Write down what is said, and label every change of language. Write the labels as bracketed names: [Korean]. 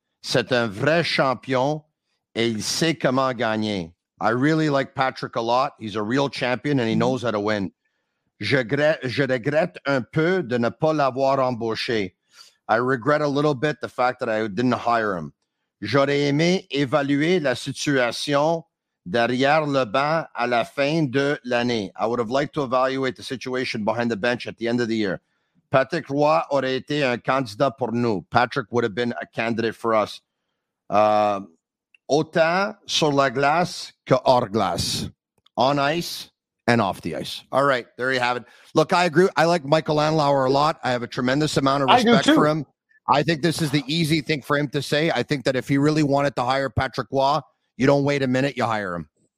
[French] C'est un vrai champion et il sait comment gagner. [English] I really like Patrick a lot. He's a real champion and he knows how to win. [French] Je regrette un peu de ne pas l'avoir embauché. [English] I regret a little bit the fact that I didn't hire him. [French] J'aurais aimé évaluer la situation derrière le banc à la fin de l'année. [English] I would have liked to evaluate the situation behind the bench at the end of the year. [French] Patrick Roy aurait été un candidat pour nous. [English] Patrick would have been a candidate for us. [French] Autant sur la glace que hors glace. [English] On ice and off the ice. All right, there you have it. Look, I agree. I like Michael Anlauer a lot. I have a tremendous amount of respect for him. I think this is the easy thing for him to say. I think that if he really wanted to hire Patrick Roy, you don't wait a minute, you hire him.